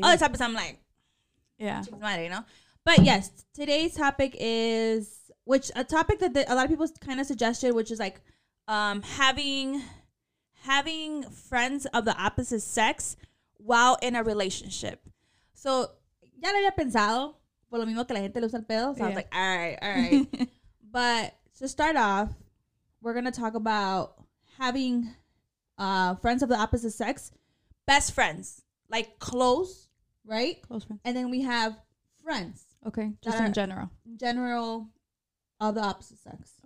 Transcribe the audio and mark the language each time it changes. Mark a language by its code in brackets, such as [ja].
[en] Other topics, I'm like, yeah. You know? But, yes, today's topic is, which a topic that a lot of people kind of suggested, which is, like, having friends of the opposite sex while in a relationship. [es] So, ya lo había pensado, por lo mismo que la gente le usa el pedo. [en] So, yeah. I was like, all right. But to start off, we're going to talk about having... friends of the opposite sex, best friends, like close, right? Close friends. And then we have friends. Okay, just in general. General of the opposite sex.